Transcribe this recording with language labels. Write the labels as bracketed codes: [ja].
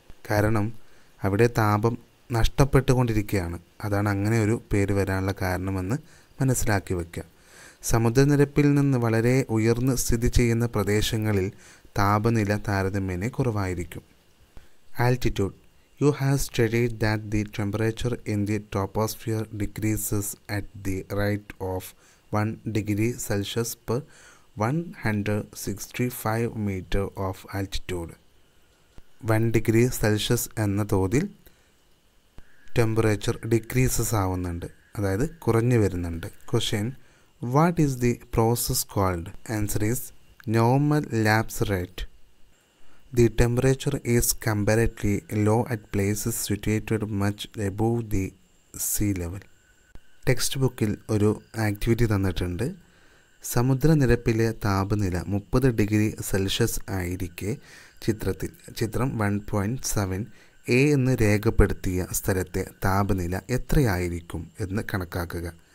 [ml] കാരണം അവിടെ താപം നഷ്ടപ്പെട്ടുകൊണ്ടിരിക്കുകയാണ്. അതാണ് അങ്ങനെ ഒരു പേര് വരാനുള്ള കാരണമെന്ന് മനസ്സിലാക്കി വയ്ക്കുക. സമുദ്രനിരപ്പിൽ നിന്ന് വളരെ ഉയർന്ന് സ്ഥിതി ചെയ്യുന്ന പ്രദേശങ്ങളിൽ താപനില താരതമ്യേന കുറവായിരിക്കും. [en] Altitude. You have studied that the temperature in the troposphere decreases at the rate of 1 degree Celsius per 165 meter of altitude. [ml] 1 degree Celsius എന്ന തോതിൽ [en] temperature decreases [ml] ആവുന്നുണ്ട്, അതായത് കുറഞ്ഞു വരുന്നുണ്ട്. [en] Question: What is the process called? Answer is normal lapse rate. The temperature is comparatively low at places situated much above the sea level. [ml] Text ബുക്കിൽ ഒരു activity തന്നിട്ടുണ്ട്. സമുദ്രനിരപ്പിലെ താപനില 30 ഡിഗ്രി സെൽഷ്യസ് ആയിരിക്കെ ചിത്രത്തിൽ, ചിത്രം 1.7a എന്ന് രേഖപ്പെടുത്തിയ സ്ഥലത്തെ താപനില എത്രയായിരിക്കും എന്ന് കണക്കാക്കുക.